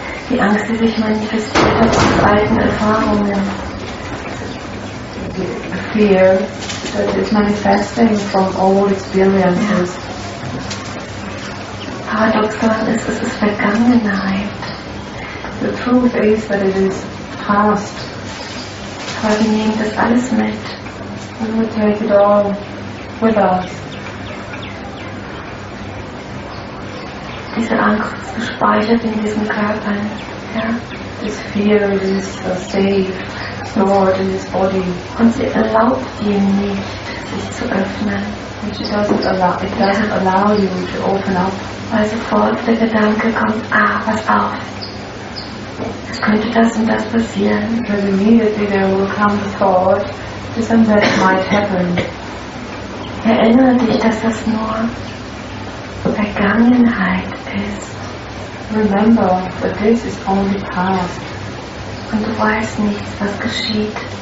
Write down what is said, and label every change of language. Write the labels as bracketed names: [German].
[German] Die Angst, die sich manifestiert hat aus alten Erfahrungen. [English] The fear that is manifesting from old experiences. [German] Paradoxal ist, es ist Vergangenheit. [English] The truth is that it is past. [German] Aber wir nehmen das alles mit. [English] And we take it all with us. [German] Diese Angst ist gespeichert in diesem Körper. Ja? [English] This fear is stored in this body. [German] Und sie erlaubt ihm nicht, sich zu öffnen. [English] And she doesn't allow, it doesn't allow you to open up. [German] Weil sofort der Gedanke kommt, ah, pass auf, es könnte das und das passieren. [English] Because immediately there will come the thought, this and that might happen. [German] Erinnere dich, dass das nur Vergangenheit ist. [English] Remember that this is only past. [German] Und du weißt nichts, was geschieht.